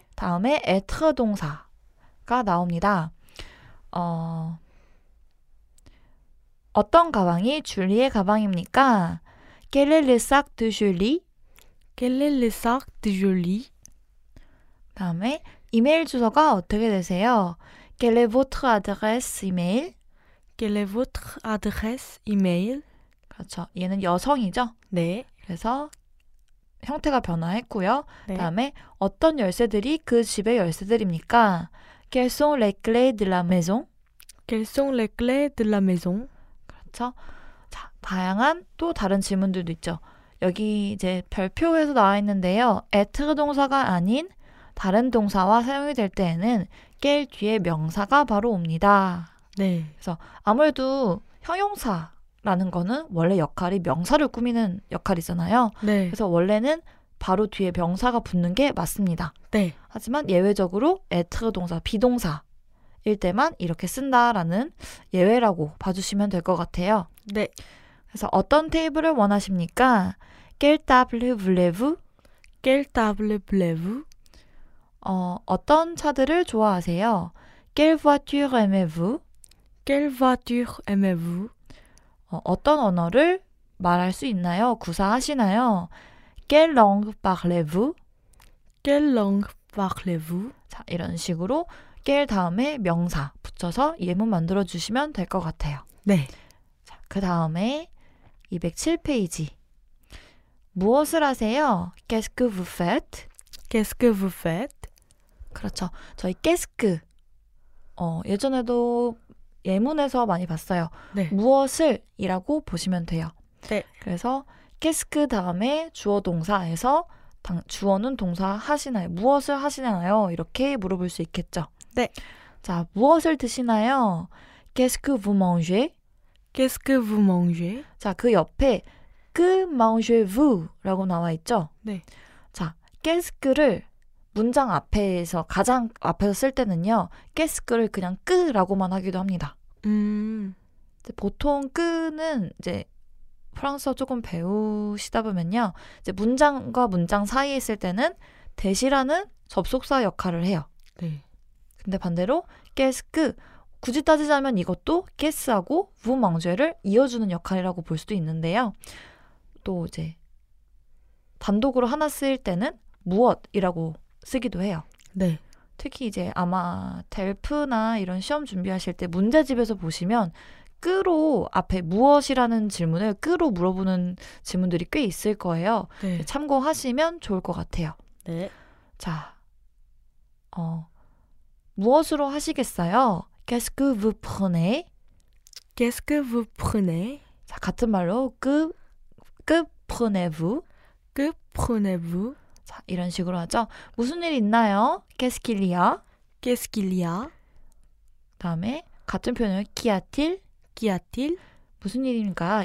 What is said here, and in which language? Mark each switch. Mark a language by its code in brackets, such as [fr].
[ko] 깰 다음에 être 동사가 나옵니다. 어떤 가방이 줄리의 가방입니까? [fr] Quel est le sac de Julie? Quel est le sac de Julie? [ko] 다음에 이메일 주소가 어떻게 되세요? [fr] Quelle est votre adresse email? Quelle est votre adresse email? [ko] 그렇죠. 얘는 여성이죠? 네. 그래서 형태가 변화했고요. 네. 다음에 어떤 열쇠들이 그 집의 열쇠들입니까? [fr] Quelles sont les clés de la maison? Quelles sont les clés de la maison? [ko] 그렇죠? 자, 다양한 또 다른 질문들도 있죠. 여기 이제 별표에서 나와 있는데요. être 동사가 아닌 다른 동사와 사용이 될 때에는 깰 뒤에 명사가 바로 옵니다. 네. 그래서 아무래도 형용사 라는 거는 원래 역할이 명사를 꾸미는 역할이잖아요. 네. 그래서 원래는 바로 뒤에 명사가 붙는 게 맞습니다. 네. 하지만 예외적으로 être 동사, 비동사일 때만 이렇게 쓴다라는 예외라고 봐주시면 될것 같아요. 네. 그래서 어떤 테이블을 원하십니까? [fr] Quelle table voulez-vous? Quelle table voulez-vous? [ko] 어떤 차들을 좋아하세요? [fr] Quelle voiture aimez-vous? Quelle voiture aimez-vous? [ko] 어떤 언어를 말할 수 있나요? 구사하시나요? [fr] Quelle langue parlez-vous? Quelle langue parlez-vous? [ko] 자, 이런 식으로 quelle 다음에 명사 붙여서 예문 만들어 주시면 될것 같아요. 네. 자, 그 다음에 207페이지. 무엇을 하세요? [fr] Qu'est-ce que vous faites? Qu'est-ce que vous faites? [ko] 그렇죠. 저희 qu'est-ce que 예전에도 예문에서 많이 봤어요. 무엇을 이라고 보시면 돼요. 그래서 qu'est-ce que 다음에 주어 동사에서 주어는 동사 하시나요? 무엇을 하시나요? 이렇게 물어볼 수 있겠죠. 자, 무엇을 드시나요? [fr] Qu'est-ce que vous mangez? Qu'est-ce que vous mangez? [ko] 자, 그 옆에 [fr] que mangez-vous [ko] 라고 나와 있죠. 자, qu'est-ce que를 문장 앞에서 가장 앞에서 쓸 때는요. qu'est-ce que를 그냥 que 라고만 하기도 합니다. 보통 끄는 이제 프랑스어 조금 배우시다 보면요. 이제 문장과 문장 사이에 있을 때는 대시라는 접속사 역할을 해요. 네. 근데 반대로 qu'est-ce que 굳이 따지자면 이것도 qu'est-ce하고 [fr] vous mangez [ko] 를 이어주는 역할이라고 볼 수도 있는데요. 또 이제 단독으로 하나 쓰일 때는 무엇이라고 쓰기도 해요. 네. 특히 이제 아마 델프나 이런 시험 준비하실 때 문제집에서 보시면 끄로 앞에 무엇이라는 질문을 끄로 물어보는 질문들이 꽤 있을 거예요. 네. 참고하시면 좋을 것 같아요. 네. 자, 무엇으로 하시겠어요? [fr] Qu'est-ce que vous prenez? Qu'est-ce que vous prenez? [ko] 자, 같은 말로 [fr] que prenez-vous? Que prenez-vous? [ko] 자, 이런 식으로 하죠. 무슨 일 있나요? [fr] Qu'est-ce qu'il y a? Qu'est-ce qu'il y a? [ko] 다음에 같은 표현을 [fr] qu'y a-t-il? Qu'y a-t-il? [ko] 무슨 일입니까?